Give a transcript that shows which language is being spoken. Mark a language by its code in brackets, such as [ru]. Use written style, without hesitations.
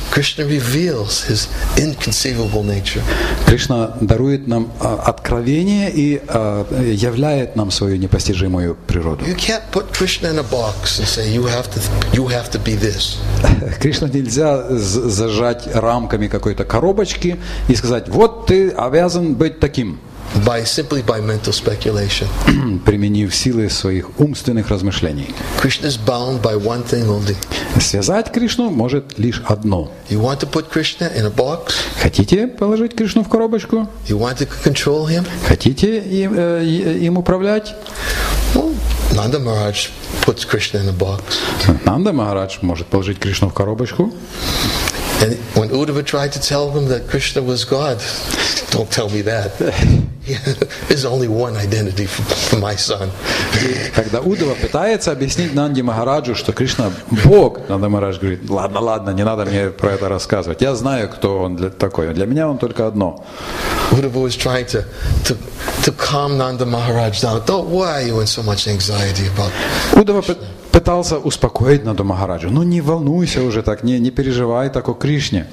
[en] Krishna reveals his inconceivable nature. [ru] Кришна дарует нам откровение и являет нам свою непостижимую природу. [en] You can't put Krishna in a box and say you have to be this. [ru] Кришна нельзя зажать рамками какой-то коробочки и сказать: вот ты обязан быть таким. [en] By mental speculation. [ru] Применив силы своих умственных размышлений. [en] Krishna is bound by one thing only. [ru] Связать Кришну может лишь одно. [en] You want to put Krishna in a box? [ru] Хотите положить Кришну в коробочку? [en] You want to control him? [ru] Хотите им управлять? [en] Well, Nanda Maharaj puts Krishna in a box. [ru] Нанда Махарадж может положить Кришну в коробочку. [en] And when Uddhava tried to tell him that Krishna was God, don't tell me that. There's only one identity for my son. [ru] Когда Уддава пытается объяснить Нанди Махараджу, что Кришна Бог, Нанди Махарадж говорит: ладно, ладно, не надо мне про это рассказывать. Я знаю, кто он такой. Для меня он только одно. [en] Uddhava was trying to calm Nanda Maharaj down. Don't, why are you in so much anxiety about [ru] Uddhava пытался успокоить Нанду Махараджу. Ну не волнуйся уже так, не переживай так о Кришне.